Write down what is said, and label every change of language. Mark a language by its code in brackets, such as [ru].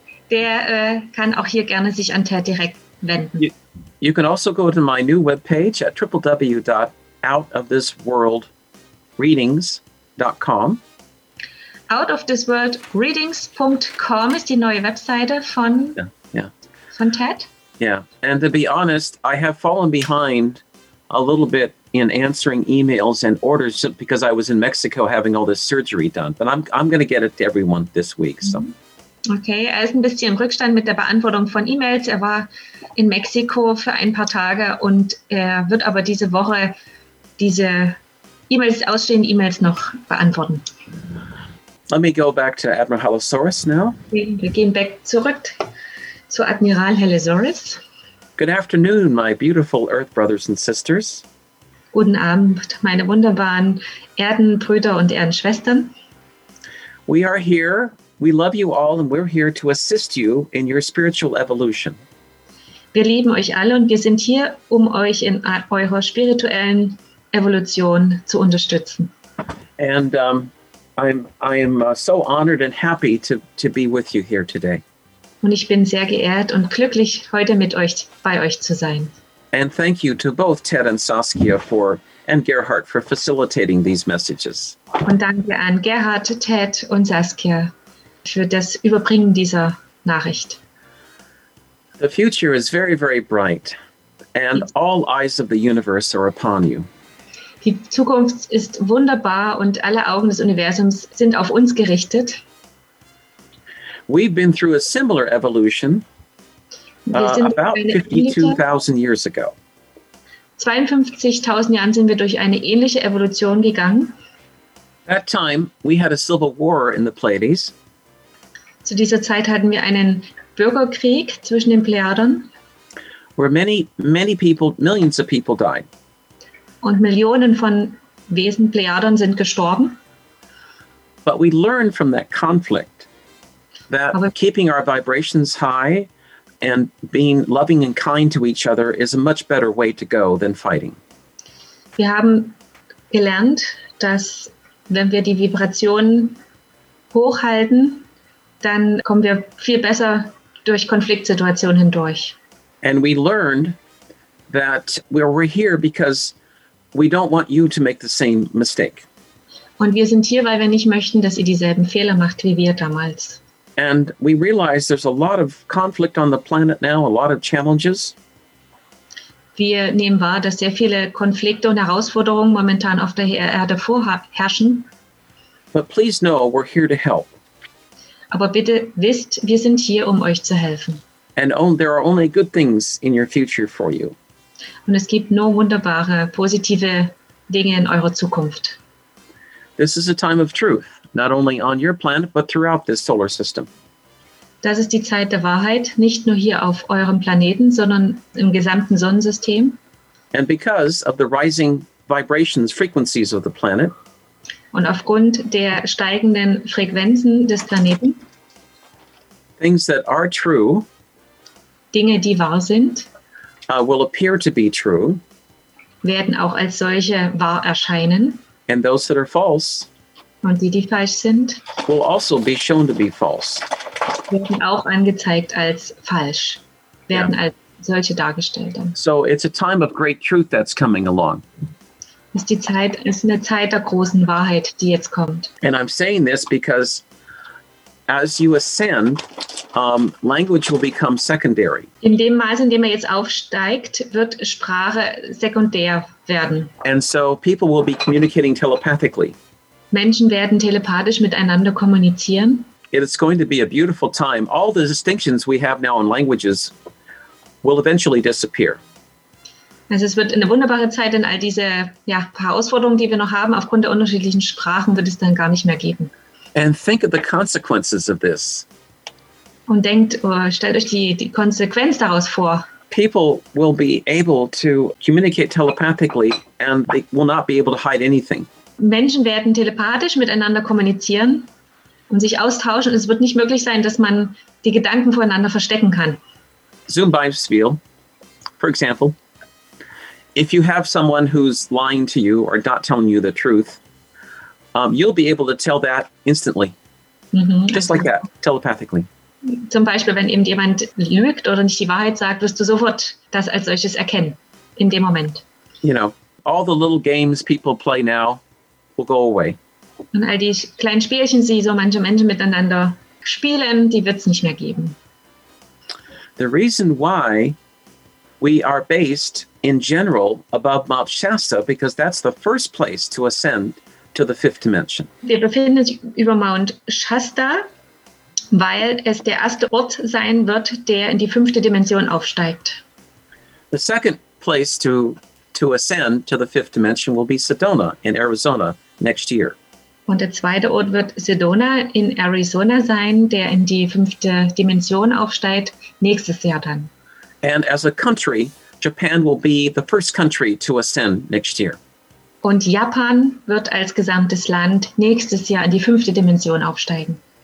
[de] der kann auch hier gerne sich an TED direkt wenden. [en] You can also go to my new webpage at www.outofthisworldreadings.com. [de] Outofthisworldreadings.com ist die neue Webseite von, von TED. [en] Yeah, and to be honest, I have fallen behind a little bit in answering emails and orders because I was in Mexico having all this surgery done. But I'm going to get it to everyone this week. So. [de] Okay, er ist ein bisschen im Rückstand mit der Beantwortung von E-Mails. Er war in Mexiko für ein paar Tage und er wird aber diese Woche diese E-Mails, ausstehende E-Mails noch beantworten. [en] Let me go back to Admiral Halosaurus now. [de] Wir gehen back zurück zu Admiral Halosaurus. [en] Good afternoon, my beautiful Earth brothers and sisters. [de] Guten Abend, meine wunderbaren Erdenbrüder und Erdenschwestern. [en] We are here, we love you all, and we're here to assist you in your spiritual evolution. [de] Wir lieben euch alle und wir sind hier, um euch in eurer spirituellen Evolution zu unterstützen. [en] And I am so honored and happy to be with you here today. [de] Und ich bin sehr geehrt und glücklich, heute mit euch bei euch zu sein. [en] And thank you to both Ted and Saskia for and Gerhard for facilitating these messages. [de] Und danke an Gerhard, Ted und Saskia für das Überbringen dieser Nachricht. [en] The future is very, very bright, and all eyes of the universe are upon you. [de] Die Zukunft ist wunderbar und alle Augen des Universums sind auf uns gerichtet. [en] We've been through a similar evolution about 52,000 years ago. [de] 52,000 Jahren sind wir durch eine ähnliche Evolution gegangen. [en] That time we had a civil war in the Pleiades. [de] Zu dieser Zeit hatten wir einen Bürgerkrieg zwischen den Plejaden. [en] Where many, many people, millions of people died. [de] Und Millionen von Wesen, Plejaden, sind gestorben. [en] But we learned from that conflict that keeping our vibrations high and being loving and kind to each other is a much better way to go than fighting. [de] Wir haben gelernt, dass wenn wir die Vibrationen hochhalten, dann kommen wir viel besser durch Konfliktsituationen hindurch. [en] And we learned that we're here because we don't want you to make the same mistake. [de] Und wir sind hier, weil wir nicht möchten, dass ihr dieselben Fehler macht wie wir damals. [en] And we realize there's a lot of conflict on the planet now, a lot of challenges. [de] Wir nehmen wahr, dass sehr viele Konflikte und Herausforderungen momentan auf der Erde vorherrschen. [en] But please know we're here to help. [de] Aber bitte wisst, wir sind hier, um euch zu helfen. [en] And only, there are only good things in your future for you. [de] Und es gibt nur wunderbare, positive Dinge in eurer Zukunft. [en] This is a time of truth, not only on your planet, but throughout this solar system. [de] Das ist die Zeit der Wahrheit, nicht nur hier auf eurem Planeten, sondern im gesamten Sonnensystem. [en] And because of the rising vibrations, frequencies of the planet. [de] Und aufgrund der steigenden Frequenzen des Planeten. [en] Things that are true. [de] Dinge, die wahr sind. [en] Will appear to be true. [de] Werden auch als solche wahr erscheinen. [en] And those that are false. [de] Und die, die falsch sind. [en] Will also be shown to be false. [de] Werden auch angezeigt als falsch. Werden als solche dargestellt. [en] So it's a time of great truth that's coming along. [de] Ist die Zeit, ist eine Zeit der großen Wahrheit, die jetzt kommt. [en] And I'm saying this because as you ascend, language will become secondary. [de] In dem Maße, in dem er jetzt aufsteigt, wird Sprache sekundär werden. [en] And so people will be communicating telepathically. [de] Menschen werden telepathisch miteinander kommunizieren. [en] It is going to be a beautiful time. All the distinctions we have now in languages will eventually disappear. [de] Also es wird eine wunderbare Zeit, denn all diese Herausforderungen, die wir noch haben, aufgrund der unterschiedlichen Sprachen, wird es dann gar nicht mehr geben. [en] And think of the consequences of this. [de] Und denkt, stellt euch die Konsequenz daraus vor. [en] People will be able to communicate telepathically and they will not be able to hide anything. [de] Menschen werden telepathisch miteinander kommunizieren und sich austauschen. Es wird nicht möglich sein, dass man die Gedanken voneinander verstecken kann. Zoom Beispiel, [en] for example. If you have someone who's lying to you or not telling you the truth, you'll be able to tell that instantly. Mm-hmm. Just like that, telepathically. [de] Zum Beispiel, wenn eben jemand lügt oder nicht die Wahrheit sagt, wirst du sofort das als solches erkennen, in dem Moment. [en] You know, all the little games people play now will go away. [de] Und all die kleinen Spielchen, die so manche Menschen miteinander spielen, die wird es nicht mehr geben. [en] The reason why we are based in general above Mount Shasta, because that's the first place to ascend to the fifth dimension. [de] Wir befinden uns über Mount Shasta, weil es der erste Ort sein wird, der in die fünfte Dimension aufsteigt. [en] The second place to ascend to the fifth dimension will be Sedona in Arizona next year. [de] Und der zweite Ort wird Sedona in Arizona sein, der in die fünfte Dimension aufsteigt, nächstes Jahr dann. [en] And as a country, Japan will be the first country to ascend next year. [de] Und Japan wird als gesamtes Land nächstes Jahr in die fünfte Dimension aufsteigen.